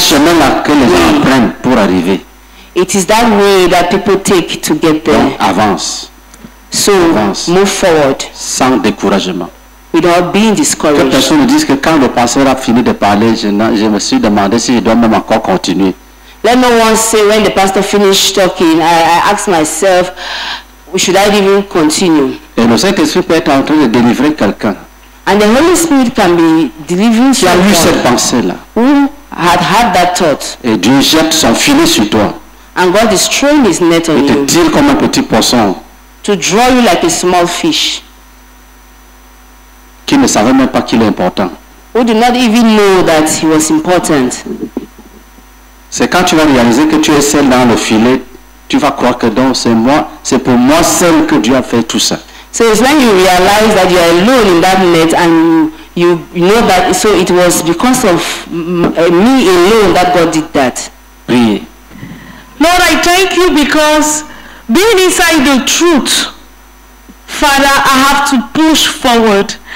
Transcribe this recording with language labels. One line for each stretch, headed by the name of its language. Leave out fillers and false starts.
French: ce chemin-là que les gens prennent pour arriver.
English: It is that way that people take to get there.
French: Donc, avance.
English: So,
French: avance.
English: Move forward.
French: Sans découragement.
English: Without being discouraged.
French: Que personne ne dise que quand le pasteur a fini de parler, je me suis demandé si je dois même encore continuer.
English: Let no one say when the pastor finished talking, I asked myself, should I even continue?
French: Et le Saint-Esprit peut être en train de délivrer quelqu'un.
English: And the Holy Spirit can be delivering
French: qui a eu cette pensée-là.
English: Who had had that thought.
French: Et Dieu jette son filet sur toi.
English: And God is throwing his net on you.
French: Et te tire comme un petit poisson.
English: To draw you like a small fish.
French: qui ne savait même pas qu'il est important.
English: Who did not even know that he was important.
French: C'est quand tu vas réaliser que tu es seul dans le filet, tu vas croire que donc c'est moi, c'est pour moi seul que Dieu a fait tout ça.
English: So it's when you realize that you are alone in that net and you know that so it was because of me alone that God did that.
French: Priez.
English: Lord, I thank you because being inside the truth, Father, I have to push forward.